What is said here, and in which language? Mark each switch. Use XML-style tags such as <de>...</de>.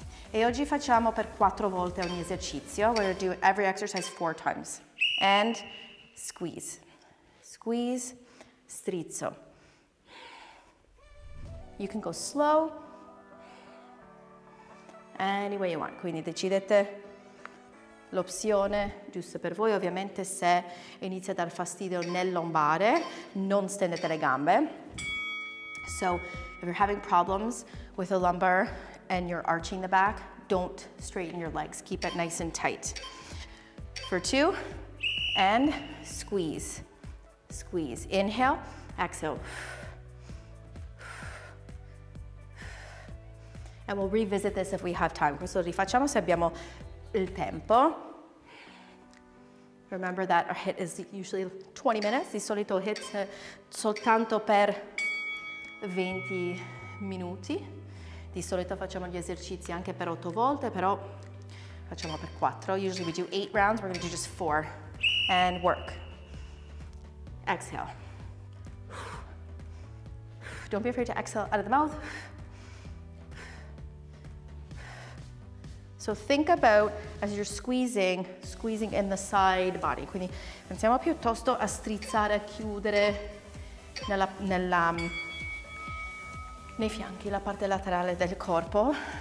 <it>E oggi facciamo per 4 volte ogni esercizio.</it> <en>We're gonna do every exercise 4 times. And squeeze, squeeze,</en> <it>strizzo.</it> <en>You can go slow, any way you want.</en> <it>Quindi decidete l'opzione giusta per voi. Ovviamente se inizia a dar fastidio nel lombare, non stendete le gambe.</it> <en>So if you're having problems with a lumbar and you're arching the back, don't straighten your legs. Keep it nice and tight. For 2. And squeeze, squeeze. Inhale, exhale. And we'll revisit this if we have time.</en> <it>Questo rifacciamo se abbiamo il tempo.</it> <en>Remember that our HIIT is usually 20 minutes.</en> <it>Di solito HIIT soltanto per 20 minuti. Di solito facciamo gli esercizi anche per 8 volte, però facciamo per 4.</it> <en>Usually we do 8 rounds, we're gonna do just 4. And work. Exhale. Don't be afraid to exhale out of the mouth. So think about, as you're squeezing in the side body.</en> <it>Quindi pensiamo piuttosto a strizzare, a chiudere nei fianchi, la parte laterale del corpo.</it>